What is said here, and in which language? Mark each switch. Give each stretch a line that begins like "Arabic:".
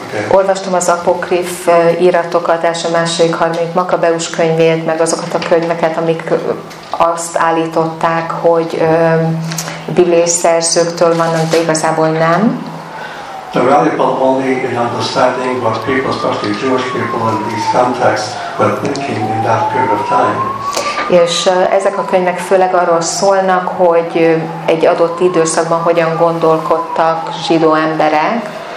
Hungarian: Olvastam az apokrif iratokat, első, második, harmadik Makabeus könyvét, meg azokat a könyveket, amik azt állították, hogy bibliai szerzőktől vannak, de igazából nem.
English: The valuable only in understanding what people, especially Jewish people in these contexts, were thinking in that period of time.
Hungarian: És ezek a könyvek főleg arról szólnak, hogy egy adott időszakban hogyan gondolkodtak zsidó emberek.